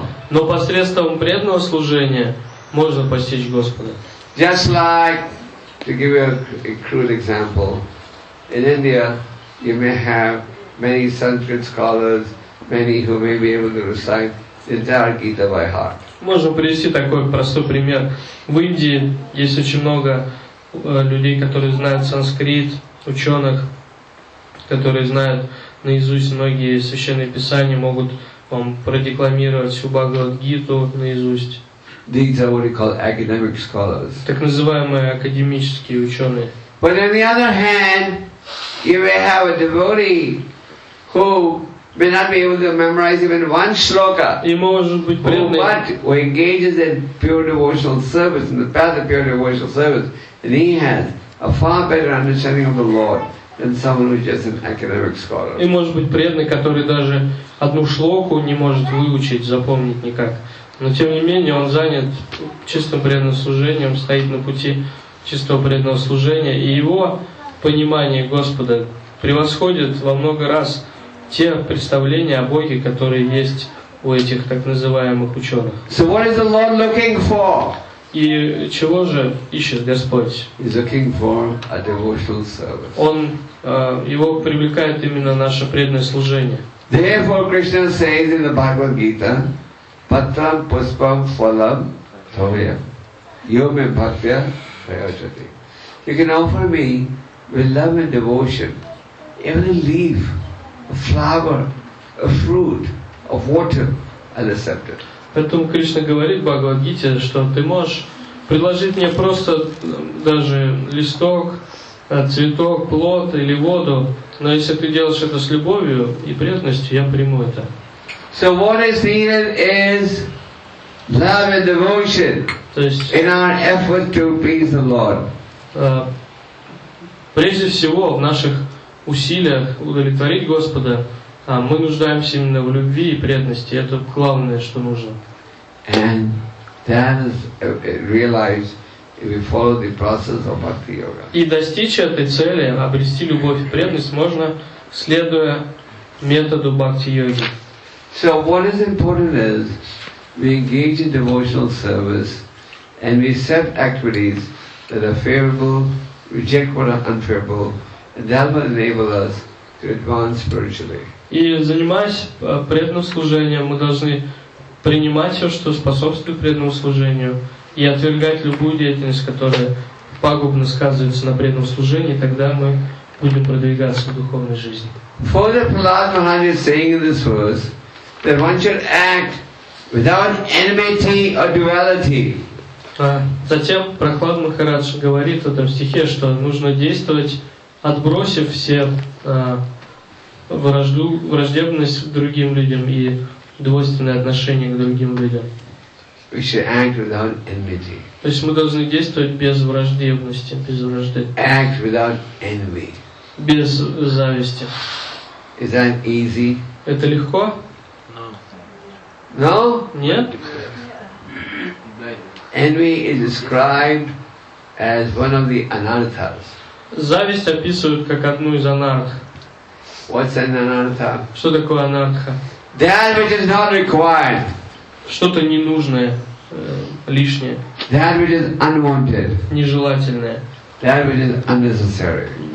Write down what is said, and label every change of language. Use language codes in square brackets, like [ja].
[ru] Но посредством преданного служения можно постичь Господа. [en] Just like, to give you a crude example, in India you may have many Sanskrit scholars, many who may be able to recite the entire Gita by heart. [ru] Можно привести такой простой пример. В Индии есть очень много людей, которые знают санскрит, ученых, которые знают наизусть многие священные писания, могут вам продекламировать всю Бхагавад-гиту наизусть. [en] These are what we call academic scholars. [ru] Так называемые академические ученые. [en] But on the other hand, you may have a devotee who may not be able to memorize even one shloka. [ru] И может быть преданный. [en] But who engages in pure devotional service, in the path of pure devotional service, and he has a far better understanding of the Lord than someone who's just an academic scholar. [ru] И может быть преданный, который даже одну шлоку не может выучить, запомнить никак. Но тем не менее он занят чистым преданным служением, стоит на пути чистого преданного служения, и его понимание Господа превосходит во много раз те представления о Боге, которые есть у этих так называемых ученых. [en] So what is the Lord looking for? [ru] И чего же ищет Господь? [en] He's looking for a devotional service. [ru] Он его привлекает именно наше преданное служение. [en] Therefore, Krishna says in the Bhagavad Gita, [sa] "Patram puspam phalam thavya, yome bhaktya prayajati." [en] You can offer me with love and devotion even a leaf, a flower, a fruit, of water, I'll accept it. [ru] Поэтому Кришна говорит в Бхагавад-гите, что ты можешь предложить мне просто даже листок, цветок, плод или воду, но если ты делаешь это с любовью и преданностью, я приму это. [en] So what is needed is love and devotion in our effort to please the Lord. [ru] Прежде всего в наших усилиях удовлетворить Господа, мы нуждаемся именно в любви и преданности. Это главное, что нужно. [en] And then realize we follow the process of bhakti yoga. [ru] И достичь этой цели, обрести любовь и преданность, можно следуя методу бхакти йоги. [en] So what is important is we engage in devotional service and we set activities that are favorable, reject what are unfavorable, and that will enable us to advance spiritually. [ru] И занимаясь преданным служением, мы должны принимать все, что способствует преданному служению, и отвергать любую деятельность, которая пагубно сказывается на преданном служении, тогда мы будем продвигаться в духовной жизни. [en] Father Prahlad Maharaj is saying in this verse that one should act without enmity or duality. [ru] Затем Прохлад Махарадж говорит в этом стихе, что нужно действовать, отбросив все враждебность к другим людям и двойственное отношение к другим людям. [en] We should act without enmity. [ru] То есть мы должны действовать без враждебности, без вражды. [en] Act without envy. [ru] Без зависти. [en] Is that easy? [ru] Это легко? [en] No. No? [ru] Нет? [en] Envy is described as one of the anarthas. [ru] Зависть описывают как одну из анарх. [en] What's an anartha? [ru] Что такое анартха? [en] That which is not required. [ru] Что-то ненужное, лишнее. [en] That which is unwanted. [ru] Нежелательное. [en] That which is unnecessary.